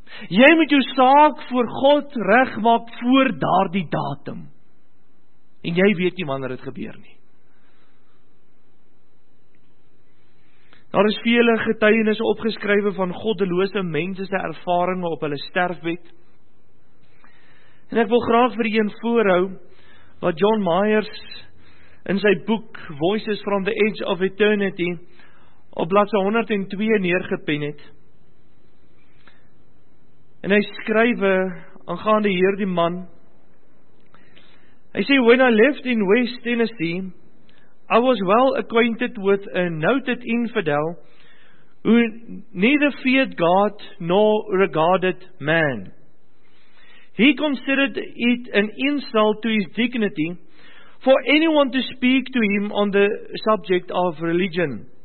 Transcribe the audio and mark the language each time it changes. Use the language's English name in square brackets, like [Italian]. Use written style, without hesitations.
[Afrikaans] Jy moet jou saak voor God regmaak voor daardie datum. En jy weet nie wanneer dit gebeur nie. Daar is vele getuienisse opgeskrywe van goddelose mense se ervarings op hulle sterfbed. En ek wil graag vir een voorhou wat John Myers in sy boek Voices from the Edge of Eternity op bladsy 102 neergepen het. En hy skrywe aangaande hierdie man. [English] Hy sê, when I lived in West Tennessee, I was well acquainted with a noted infidel who neither feared God nor regarded man. He considered it an insult to his dignity for anyone to speak to him on the subject of religion.